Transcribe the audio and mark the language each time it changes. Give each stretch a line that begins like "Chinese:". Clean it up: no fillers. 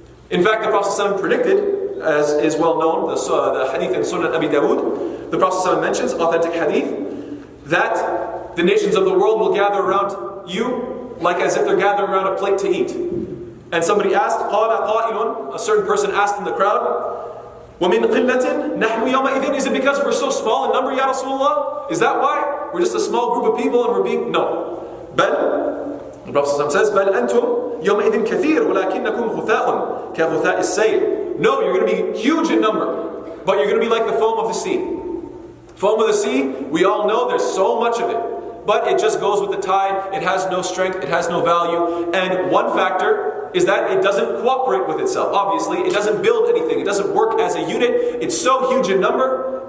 English: In fact, the Prophet ﷺ predicted, as is well known, the hadith in Sunan Abi Dawud, the Prophet ﷺ mentions, authentic hadith, that the nations of the world will gather around you like as if they're gathering around a plate to eat. And somebody asked,
Arabic: قَالَ قَائِلٌ,
English: a certain person asked in the crowd,
Arabic: وَمِنْ قِلَّةٍ نَحْنُ يَوْمَئِذٍ,
English: is it because we're so small in number, Ya Rasulullah? Is that why? We're just a small group of people and we're being... No.
Arabic: بَلْ,
English: the Prophet ﷺ says,
Arabic: بَلْ أَنْتُمْ يَوْمَئِذٍ كَثِيرٌ وَلَكِنَّكُمْ غُثَاءٌ كَغُثَاءِ السَّيْلِ.
English: No, you're going to be huge in number, but you're going to be like the foam of the sea. Foam of the sea, we all know there's so much of it, but it just goes with the tide, it has no strength, it has no value, and one factor is that it doesn't cooperate with itself, obviously. It doesn't build anything, it doesn't work as a unit, it's so huge in number,